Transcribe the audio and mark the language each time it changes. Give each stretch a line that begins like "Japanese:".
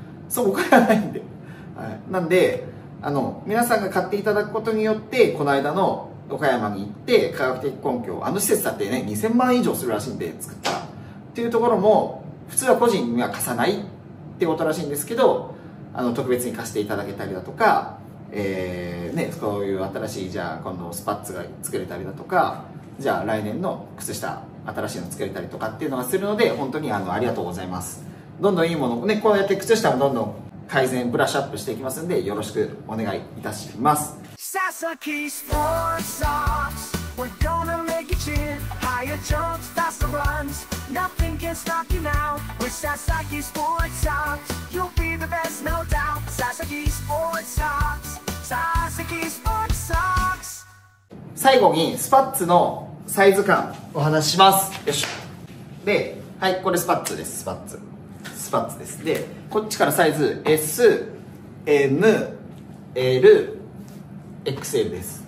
Japanese: そこからないんで、はい、なんで皆さんが買っていただくことによって、この間の岡山に行って科学的根拠、あの施設だってね2000万円以上するらしいんで作ったっていうところも、普通は個人には貸さないってことらしいんですけど、特別に貸していただけたりだとか、ね、こういう新しい、じゃあ今度スパッツが作れたりだとか、じゃあ来年の靴下新しいの作れたりとかっていうのがするので、本当にありがとうございます。どんどんいいものをね、こうやって靴下もどんどん改善ブラッシュアップしていきますんで、よろしくお願いいたします。
English: Sasaki Sports Socks, we're gonna make you cheer. Higher jumps, faster runs, nothing can stop you now. With Sasaki Sports Socks, you'll be the best, no doubt. Sasaki Sports Socks, Sasaki Sports Socks.
Japanese: 最後にスパッツのサイズ感お話します。よし。で、はい、これスパッツです。スパッツです。で、こっちからサイズ S、M、L、XL です。